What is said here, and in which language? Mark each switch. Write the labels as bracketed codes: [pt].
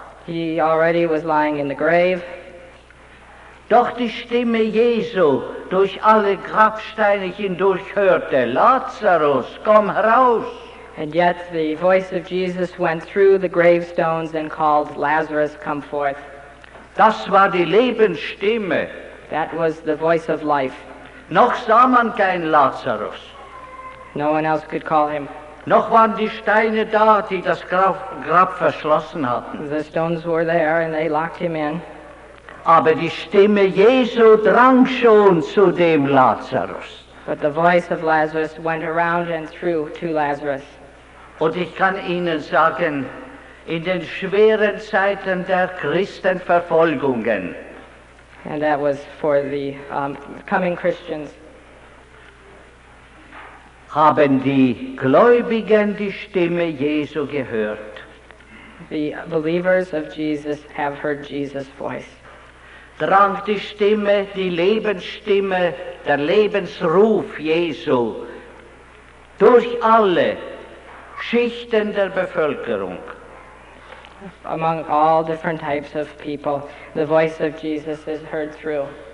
[en] He already was lying in the grave. [de] Doch die Stimme Jesu durch alle Grabsteine hindurch hörte, Lazarus, komm heraus. [en] And yet the voice of Jesus went through the gravestones and called, Lazarus, come forth. [de] Das war die Lebensstimme. [en] That was the voice of life. [de] Noch sah man kein Lazarus. [en] No one else could call him. [de] Noch waren die Steine da, die das Grab verschlossen hatten. [en] The stones were there and they locked him in. [de] Aber die Stimme Jesu drang schon zu dem Lazarus. [en] But the voice of Lazarus went around and through to Lazarus. [de] Und ich kann Ihnen sagen, in den schweren Zeiten der Christenverfolgungen, [en] And that was for the coming Christians. [de] Haben die Gläubigen die Stimme Jesu gehört? [en] The believers of Jesus have heard Jesus' voice. [de] Drang die Stimme, die Lebensstimme, der Lebensruf Jesu durch alle Schichten der Bevölkerung. [en] Among all different types of people, the voice of Jesus is heard through.